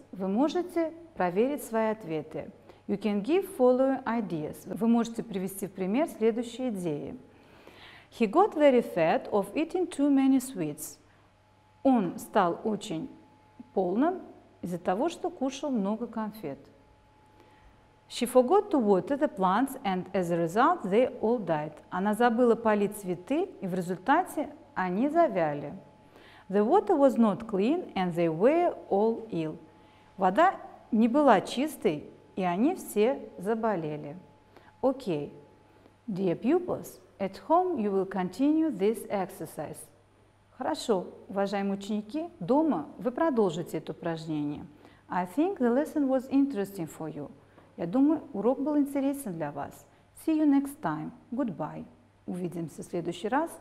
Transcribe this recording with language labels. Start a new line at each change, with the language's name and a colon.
Russian: Вы можете проверить свои ответы.
English: You can give following ideas.
Russian: Вы можете привести в пример следующие идеи.
English: He got very fat of eating too many sweets.
Russian: Он стал очень полным из-за того, что кушал много конфет.
English: She forgot to water the plants, and as a result, they all died.
Russian: Она забыла полить цветы, и в результате они завяли.
English: The water was not clean, and they were all ill.
Russian: Вода не была чистой, и они все заболели.
English: Okay. Dear pupils, at home you will continue this exercise.
Russian: Хорошо, уважаемые ученики, дома вы продолжите это упражнение.
English: I think the lesson was interesting for you.
Russian: Я думаю, урок был интересен для вас.
English: See you next time. Goodbye.
Russian: Увидимся в следующий раз.